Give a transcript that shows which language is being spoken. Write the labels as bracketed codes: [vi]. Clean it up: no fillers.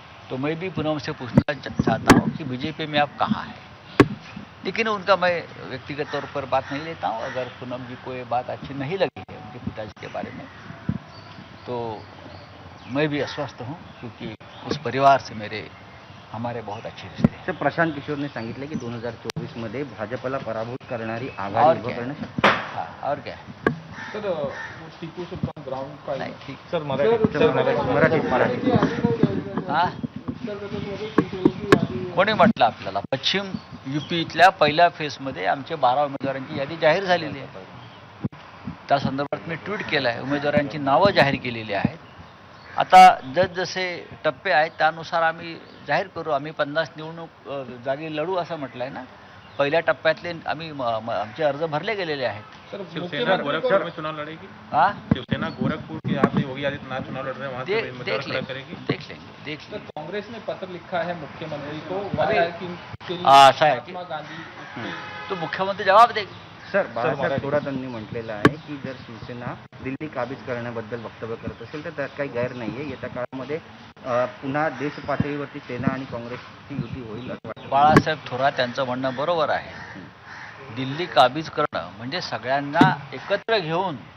[hi] तो मैं भी पूनम से पूछना चाहता हूँ कि बीजेपी में आप कहाँ हैं. लेकिन उनका मैं व्यक्तिगत तौर पर बात नहीं लेता हूँ. अगर पूनम जी को ये बात अच्छी नहीं लगी है उनके पिताजी के बारे में, तो मैं भी अस्वस्थ हूँ, क्योंकि उस परिवार से हमारे बहुत अच्छे रिश्ते. [mr] सर, प्रशांत किशोर ने सांगितले की 2024 मध्ये भाजपला पराभूत करणारी आघाडी उभी करणार. [hi] और क्या सर, टिपू सुलतान ग्राउंड का नहीं ठीक [mr] सर, मराठी. कोणी म्हटलं आपल्याला? पश्चिम युपीतल्या पहिल्या फेजमध्ये आमच्या 12 उमेदवारांची यादी जाहीर झालेली आहे. त्या संदर्भात मी ट्विट केलं आहे, उमेदवारांची नावं जाहीर केलेली आहेत. आता जसजसे टप्पे आहेत त्यानुसार आम्ही जाहीर करू. आम्ही 50 निवडणूक जागी लढू असं म्हटलं आहे ना. पहिल्या टप्प्यातले आम्ही आमचे अर्ज भरले गेलेले आहेत. [hi] शिवसेना गोरखपूर में चुनाव लड़ेगी? हाँ, शिवसेना गोरखपुर के यहाँ से योगी आदित्यनाथ चुनाव लड़ रहे हैं, वहाँ से देख लेंगे. देख लेंगे. कांग्रेस ने पत्र लिखा है मुख्यमंत्री को, महात्मा गांधी, तो मुख्यमंत्री जवाब दे. [mr] सर, बाळासाहेब थोरात यांनी म्हटलेलं आहे की जर शिवसेना दिल्ली काबीज करण्याबद्दल वक्तव्य करत असेल तर त्यात काही गैर नाही आहे. येत्या काळामध्ये पुन्हा देश पातळीवरती सेना आणि काँग्रेसची युती होईल असं वाटतं. बाळासाहेब थोरात यांचं म्हणणं बरोबर आहे. दिल्ली काबीज करणं म्हणजे सगळ्यांना एकत्र घेऊन